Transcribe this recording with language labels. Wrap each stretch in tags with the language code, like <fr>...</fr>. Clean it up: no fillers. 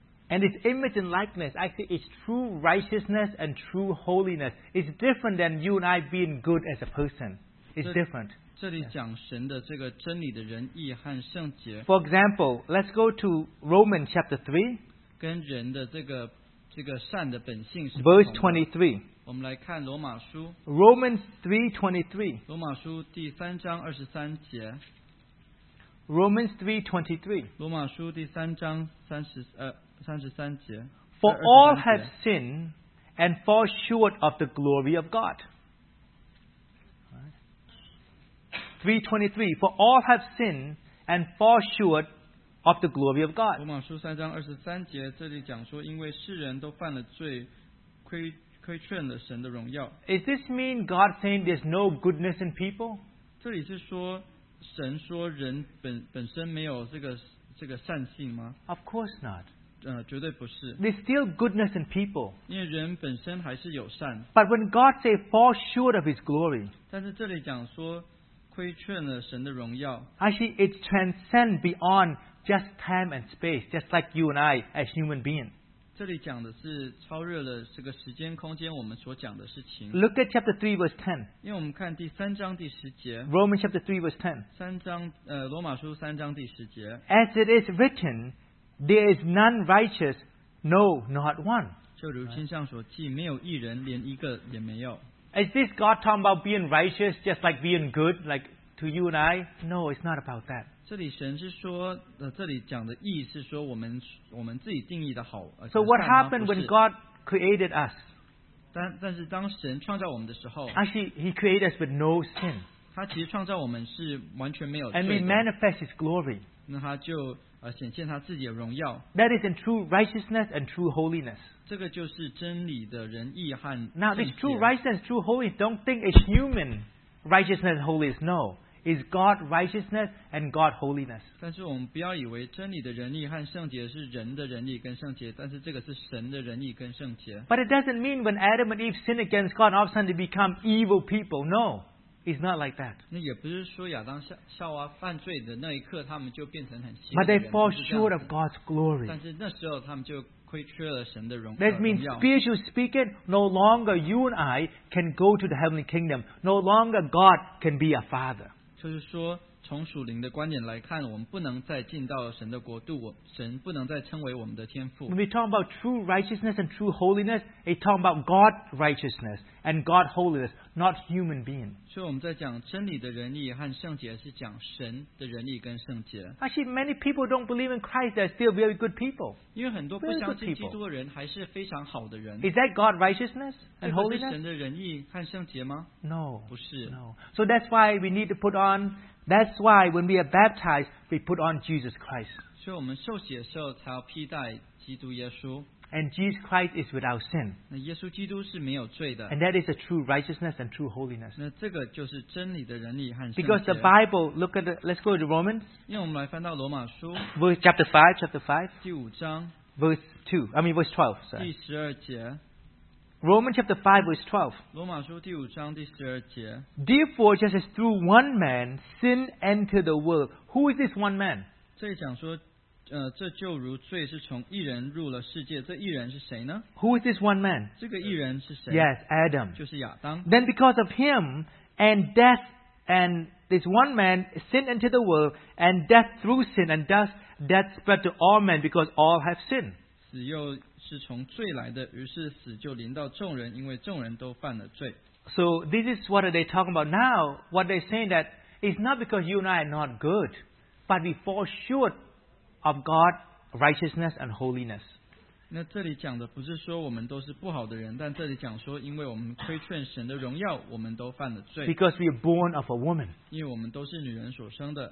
<en>and His image and likeness actually is true righteousness and true holiness. It's different than you and I being good as a person. It's different.</en> <zh>这里讲神的这个真理的仁义和圣洁.</zh> <en>For example, let's go to Romans chapter 3.</en> <zh>跟人的这个善的本性是不同的.</zh> <en>Verse 23.</en> <zh>我们来看罗马书.</zh> <en>Romans 3:23.</en> <zh>罗马书第3章23节.</zh> <en>Romans 3:23.</en> <zh>罗马书第3章33节.</zh> <en>For all have sinned and fall short of the glory of God. 3:23. For all have sinned and fall short of the glory of God.</en> <zh>罗马书3章23节, 这里讲说, 因为世人都犯了罪,亏欠了神的荣耀.</zh> <en>Is this mean God saying there's no goodness in people?</en> <zh>这里是说, 神说人本身没有这个善性吗?</zh> <en>Of course not.</en> <zh>绝对不是.</zh> <en>There's still goodness in people.</en> <zh>因为人本身还是有善.</zh> <en>But when God say fall short of His glory,</en> <zh>但是这里讲说,</zh> <en>actually, it transcends beyond just time and space, just like you and I as human beings.</en> <zh>这里讲的是超越了这个时间空间我们所讲的事情.</zh> <en>Look at chapter 3 verse 10.</en> <zh>因为我们看第3章第10节.</zh> <en>Romans chapter 3 verse 10.</en> <zh>罗马书3章第10节.</zh> <en>As it is written, there is none righteous, no, not one.</en> <zh>就如经上所记, 没有一人, 连一个也没有.</zh> <en>Is this God talking about being righteous, just like being good, like to you and I? No, it's not about that.</en> <zh>这里神是说, 这里讲的义是说我们自己定义的好,</zh> <en>so what happened when God created us?</en> <zh>但是当神创造我们的时候,</zh> <en>actually, He created us with no sin.</en> <zh>他其实创造我们是完全没有罪的,</zh> <en>and we manifest His glory.</en> <zh>那他就, 显现他自己的荣耀.</zh> <en>That is in true righteousness and true holiness.</en> <zh>这个就是真理的仁义和圣洁.</zh> <en>Now, this true righteousness, true holiness, don't think it's human righteousness and holiness. No. It's God righteousness and God holiness.</en> <zh>但是我们不要以为真理的仁义和圣洁是人的仁义跟圣洁, 但是这个是神的仁义跟圣洁.</zh> <en>But it doesn't mean when Adam and Eve sinned against God, all of a sudden they become evil people. No. It's not like that.</en> <zh>那也不是说亚当夏娃犯罪的那一刻，他们就变成很新的人。</zh> <en>But they fall short of God's glory.</en> <zh>但是那时候他们就</zh> <en>that means spiritual speaking, no longer you and I can go to the heavenly kingdom. No longer God can be a father.</en> <zh>就是说从属灵的观点来看, 我们不能再进到神的国度, 神不能再称为我们的天父。</zh> <en>When we talk about true righteousness and true holiness, it's talking about God righteousness and God holiness, not human being.</en> <zh>所以我们在讲真理的仁义和圣洁, 是讲神的仁义跟圣洁。</zh> <en>Actually, many people don't believe in Christ, they're still very good people.</en> <zh>因为很多不相信基督的人, 还是非常好的人。</zh> <en>Is that God righteousness and holiness?</en> <zh>这不是神的仁义和圣洁吗?</zh> <en>No.</en> <zh>不是。</zh> <en>No. So that's why we need to put on, that's why when we are baptized, we put on Jesus Christ.</en> <zh>所以我们受洗的时候才要披戴基督耶稣。</zh> <en>And Jesus Christ is without sin.</en> <zh>那耶稣基督是没有罪的。</zh> <en>And that is a true righteousness and true holiness.</en> <zh>那这个就是真理的仁义和圣洁。</zh> <en>Because the Bible, look at the, let's go to Romans.</en> <zh>因为我们来翻到罗马书。</zh> <en>Verse chapter 5, chapter 5.</en> <zh>第5章。</zh> <en>Verse 2, I mean verse 12, sorry.</en> <zh>第12节。</zh> <en>Romans chapter 5 verse 12.</en> <zh>罗马书第5章第12节.</zh> <en>Therefore, just as through one man, sin entered the world. Who is this one man?</en> <zh>这里讲说, 这就如罪是从一人入了世界。这一人是谁呢?</zh> <en>Who is this one man?</en> <zh>这个一人是谁?</zh> <en>Yes, Adam.</en> <zh>就是亚当。</zh> <en>Then because of him, and death, and this one man, sin entered the world, and death through sin, and thus death spread to all men, because all have sinned.</en> <zh>死又 是从罪来的, 于是死就临到众人, 因为众人都犯了罪。</zh> <en>So this is what are they talking about now. What they're saying that it's not because you and I are not good, but we fall short of God righteousness and holiness.</en> <zh>那这里讲的不是说我们都是不好的人, 但这里讲说因为我们亏欠神的荣耀, 我们都犯了罪。</zh> <en>Because we are born of a woman.</en> <zh>因为我们都是女人所生的。</zh>